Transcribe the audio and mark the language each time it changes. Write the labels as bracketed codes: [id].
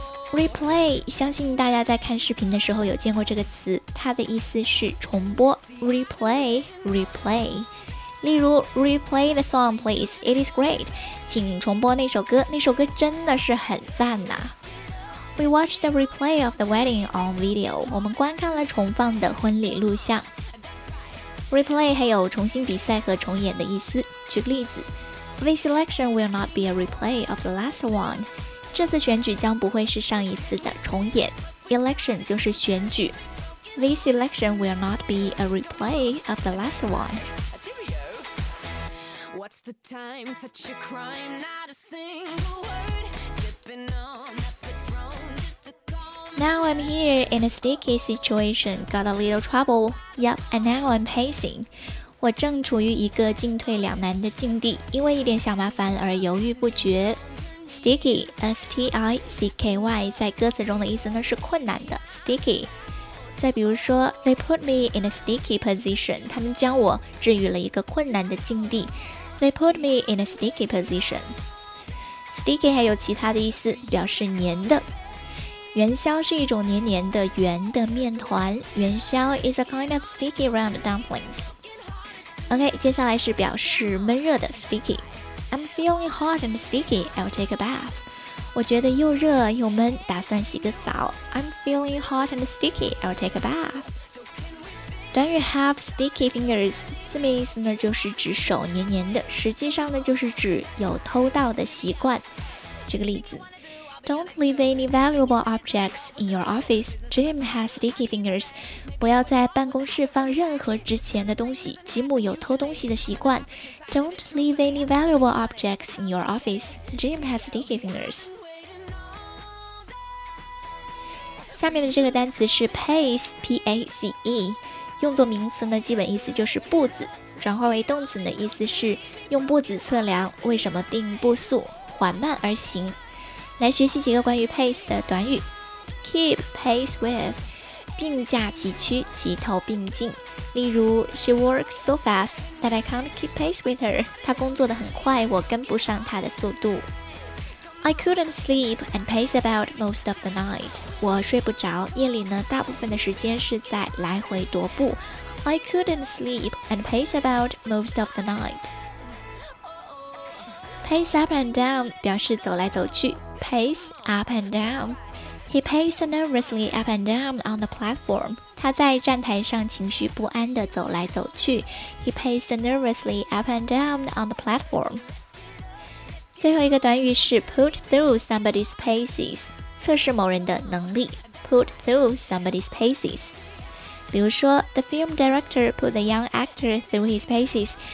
[zh] Replay, 相信大家在看视频的时候有见过这个词，它的意思是重播。 [en] Replay, replay. [zh] 例如 [en] ,replay the song, please, it is great. [zh] 请重播那首歌，那首歌真的是很赞呐。 [en] We watched the replay of the wedding on video. [zh] 我们观看了重放的婚礼录像。 Replay 还有重新比赛和重演的意思。举个例子 [en] ,This election will not be a replay of the last one. [zh] 这次选举将不会是上一次的重演。 Election 就是选举。 [en] This election will not be a replay of the last one. What's the time? Such a crime, not a single word. Sipping on that Patron just to call. Now I'm here in a sticky situation. Got a little trouble. Yup, and now I'm pacing. [zh] 我正处于一个进退两难的境地，因为一点小麻烦而犹豫不决。 Sticky, S-T-I-C-K-Y, 在歌词中的意思呢是困难的 ,sticky. 再比如说 , [en] they put me in a sticky position, [zh] 他们将我置于了一个困难的境地。 [en] They put me in a sticky position. Sticky [zh] 还有其他的意思，表示黏的。元宵是一种黏黏的圆的面团。 [en] 元宵 is a kind of sticky round dumplings. OK, [zh] 接下来是表示闷热的 [en] sticky. I'm feeling hot and sticky, I'll take a bath. [zh] 我觉得又热又闷，打算洗个澡。 [en] I'm feeling hot and sticky, I'll take a bath. Don't you have sticky fingers? [zh] 字面意思呢就是指手黏黏的，实际上呢就是指有偷盗的习惯。举个例子 [en] ,Don't leave any valuable objects in your office. Jim has sticky fingers. [zh] 不要在办公室放任何值钱的东西，吉姆有偷东西的习惯。 [en] Don't leave any valuable objects in your office. Jim has sticky fingers. [zh] 下面的这个单词是 pace, P-A-C-E. 用作名词呢，基本意思就是步子。转化为动词的意思是用步子测量，为什么定步速，缓慢而行。来学习几个关于 pace 的短语。 [en] Keep pace with, [zh] 并驾齐驱，齐头并进。例如 [en] ,She works so fast that I can't keep pace with her. [zh] 她工作得很快，我跟不上她的速度。 [en] I couldn't sleep and pace about most of the night. [zh] 我睡不着，夜里呢，大部分的时间是在来回踱步。 [en] I couldn't sleep and pace about most of the night. Pace up and down [zh] 表示走来走去。 [en] Pace up and down. He paced nervously up and down on the platform. [zh] 他在站台上情绪不安地走来走去。 [en] He paced nervously up and down on the platform. [zh] 最后一个短语是 [en] put through somebody's paces, [zh] 测试某人的能力。 [en] Put through somebody's paces. [zh] 比如说 [en] ,The film director put the young actor through his paces.